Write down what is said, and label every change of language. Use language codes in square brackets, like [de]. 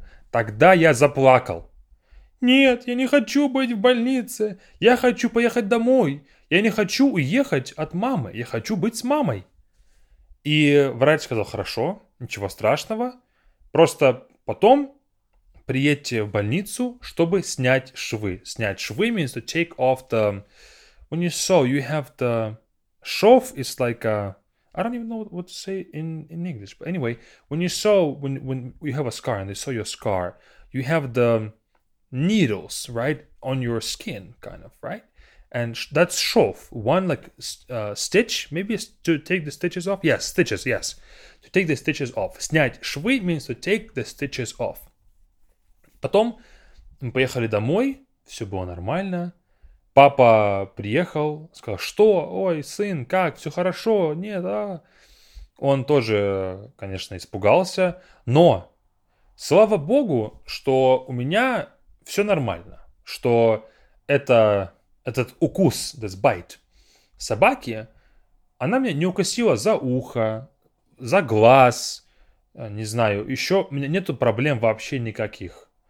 [ru] Тогда я заплакал. Нет, я не хочу быть в больнице. Я хочу поехать домой. Я не хочу уехать от мамы. Я хочу быть с мамой. И врач сказал, хорошо, ничего страшного. Просто потом приедьте в больницу, чтобы снять швы. Снять швы [en] means to take off the... When you sew, you have the... Шов is like a... I don't even know what to say in English. But anyway, when you sew, when you have a scar and they sew your scar, you have the needles, right? On your skin, kind of, right? And that's шов. One, like, stitch, maybe it's to take the stitches off. Yes, stitches, yes. To take the stitches off. [ru] Снять швы [en] means to take the stitches off. [ru] Потом мы поехали домой, все было нормально. Папа приехал, сказал, что, ой, сын, как, все хорошо, нет, а? Он тоже, конечно, испугался, но слава богу, что у меня все нормально, что этот укус, [en] this bite [ru] собаки, она меня не укусила за ухо, за глаз, не знаю, еще у меня нету проблем вообще никаких.